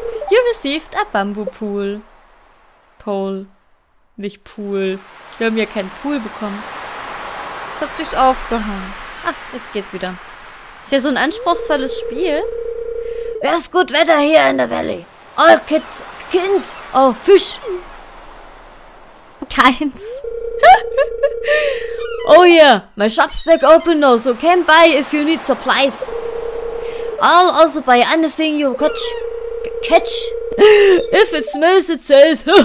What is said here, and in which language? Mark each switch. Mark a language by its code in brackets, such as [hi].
[en] You received a bamboo pool. [de] Pole. Nicht Pool. Wir haben ja keinen Pool bekommen. Es hat sich aufgehangen. Ah, jetzt geht's wieder. Ist ja so ein anspruchsvolles Spiel. [en] There's good weather here in the valley. All kids... [de] Kind! Oh, Fisch! Keins. [en] Oh yeah, my shop's back open now, so come by if you need supplies. I'll also buy anything you catch. If it smells, it sells.